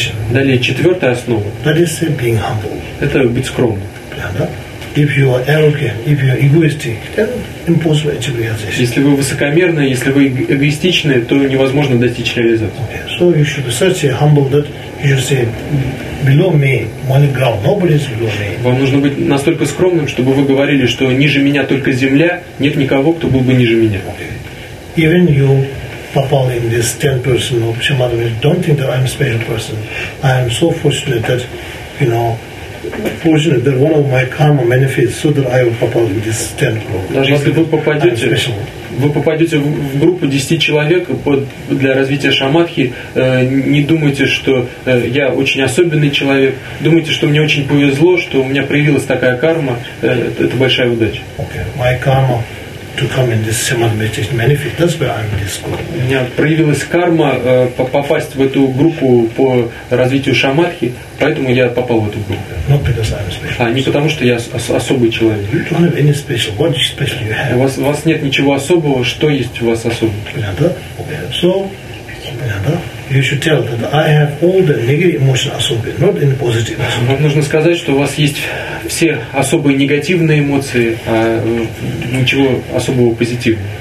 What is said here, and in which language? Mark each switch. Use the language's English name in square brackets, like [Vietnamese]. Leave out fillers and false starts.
[Russian] Далее четвертая основа. [English] That is being humble. [Russian] Это быть скромным. [English] If you are arrogant, if you are egoistic, then impossible to realize. [Russian] Если вы высокомерны, если вы эгоистичны, то невозможно достичь реализации. [English] Okay. So you should be such a humble that you say, below me, money ground, nobody is below me. [Russian] Вам нужно быть настолько скромным, чтобы вы говорили, что ниже меня только земля, нет никого, кто был бы ниже меня. [English] Okay. Even you [Russian] попал [English] in this 10-person of Shamadavis, don't think that I'm a special person. I am so fortunate that, you know, fortunate that one of my karma manifests so that I will pop up in this 10 group. [Russian] Даже если вы попадете в группу 10 человек для развития шаматхи, не думайте, что я очень особенный человек. Думайте, что мне очень повезло, что у меня проявилась такая карма. Это большая удача. [English] Okay. My karma to come in this shamatha meditation manifest. That's why I'm in this group. [Russian] У меня проявилась карма попасть в эту группу по развитию шаматхи, поэтому я попал в эту группу. [English] Not because I'm special. [Russian] А не потому, что я особый человек. [English] You don't have any special. What is special you have? [Russian] У вас нет ничего особого. Что есть у вас особого? [English] You should tell that I have all the negative emotions [Russian] особые, [English] not in positive. [Russian] Вам нужно сказать, что у вас есть все особые негативные эмоции, а ничего особого позитивного.